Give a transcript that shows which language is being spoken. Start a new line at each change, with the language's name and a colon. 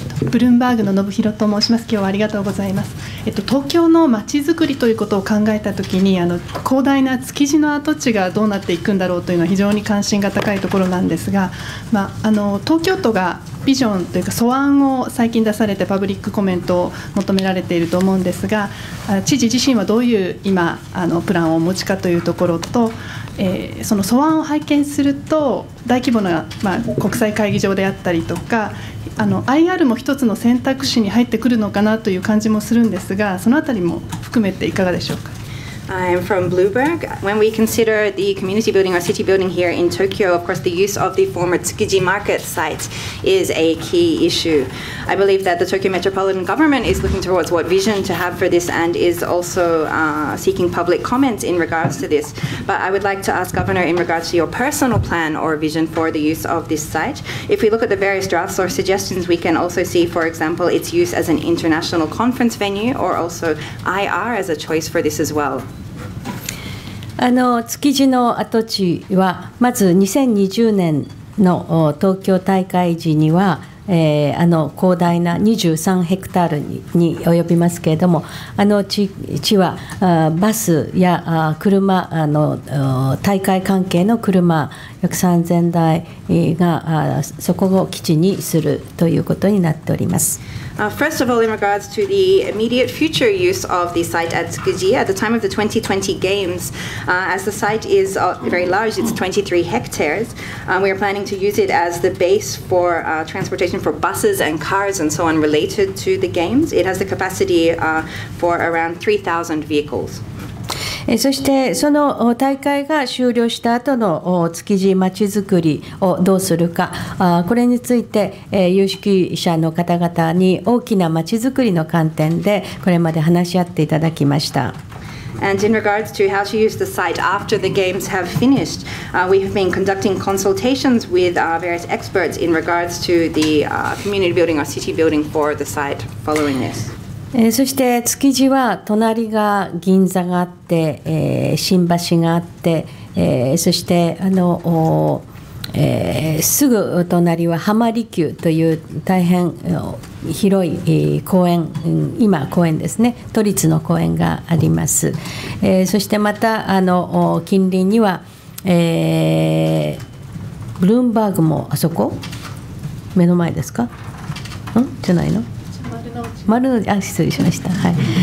Japanese: ブルームバーグの信弘と申します。今日はありがとうございます。東京の街づくりということを考えたときに、広大な築地の跡地がどうなっていくんだろうというのは非常に関心が高いところなんですが、東京都がビジョンというか素案を最近出されてパブリックコメントを求められていると思うんですが、知事自身はどういう今プランをお持ちかというところと、その素案を拝見すると大規模な、国際会議場であったりとか、IR も一つの選択肢に入ってくるのかなという感じもするんですが、そのあたりも含めていかがでしょうか。
English: I'm from Bloomberg. When we consider the community building or city building here in Tokyo, of course, the use of the former Tsukiji Market site is a key issue. I believe that the Tokyo Metropolitan Government is looking towards what vision to have for this and is also seeking public comments in regards to this. But I would like to ask Governor, in regards to your personal plan or vision for the use of this site, if we look at the various drafts or suggestions, we can also see, for example, its use as an international conference venue or also IR as a choice for this as well.
Japanese: あの築地の跡地はまず2020年の東京大会時には、あの広大な23ヘクタールに及びますけれども、あの 地はバスや車、あの大会関係の車約3000台がそこを基地にするということになっております。
English: First of all, in regards to the immediate future use of the site at Tsukiji, at the time of the 2020 Games, as the site is very large, it's 23 hectares, we are planning to use it as the base for transportation for buses and cars and so on related to the Games. It has the capacity for around 3,000 vehicles.
Japanese: そしてその大会が終了した後の築地まちづくりをどうするか、これについて有識者の方々に大きなまちづくりの観点でこれまで話し合っていただきました。
English: And in regards to how to use the site after the games have finished, we have been conducting consultations with various experts in regards to the community building or city building for the site following this.
Japanese: そして築地は隣が銀座があって、新橋があって、そしてあの、すぐ隣は浜離宮という大変広い公園、今公園ですね、都立の公園があります、そしてまたあの近隣には、ブルームバーグもあそこ目の前ですか、んじゃないの、丸の内、失礼しました、はい。